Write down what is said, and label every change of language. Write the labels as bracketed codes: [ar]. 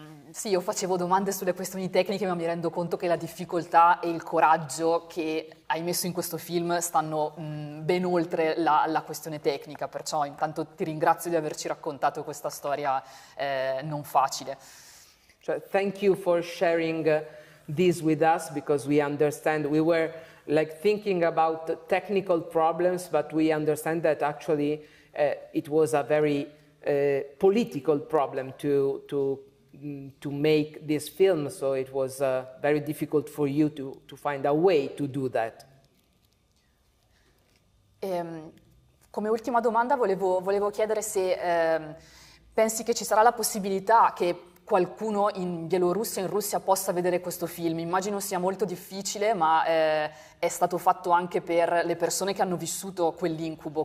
[it] Sì, io facevo domande sulle questioni tecniche, ma mi rendo conto che la difficoltà e il coraggio che hai messo in questo film stanno ben oltre la questione tecnica, perciò intanto ti ringrazio di averci raccontato questa storia non facile. [en] Thank you for sharing this with us because we understand we were like thinking about technical problems, but we understand that actually it was a very political problem to make this film. So it was very difficult for you to find a way to do that. [it] Come ultima domanda volevo chiedere se pensi che ci sarà la possibilità che qualcuno in Bielorussia, in Russia, possa vedere questo film. Immagino sia molto difficile, ma è stato fatto anche per le persone che hanno vissuto quell'incubo.